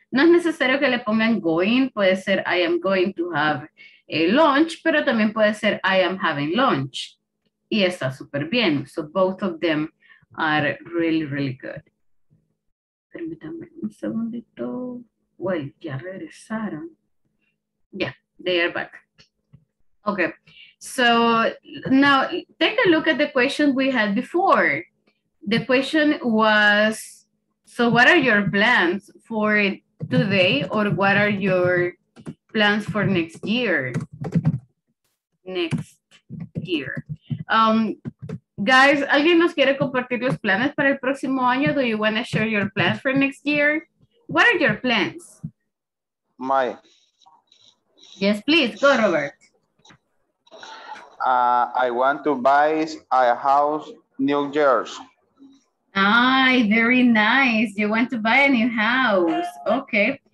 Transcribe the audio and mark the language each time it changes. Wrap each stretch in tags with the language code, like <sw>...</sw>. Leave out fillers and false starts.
<es>No es necesario que le pongan going, puede ser</es> <en>I am going to have a lunch,</en> <es>pero también puede ser</es> <en>I am having lunch.</en> <es>Y está súper bien.</es> <en>So both of them are really, really good.</en> <es>Permítanme un segundito. Well, ya regresaron.</es> <en>Yeah, they are back. Okay. So now take a look at the question we had before. The question was, so what are your plans for today, or what are your plans for next year? Next year.</en> <es>Guys, ¿alguien nos quiere compartir los planes para el próximo año?</es> <en>Do you want to share your plans for next year? What are your plans? My. Yes, please. Go, Robert. I want to buy a house in New Jersey. Ay, very nice. You want to buy a new house. Okay.</en>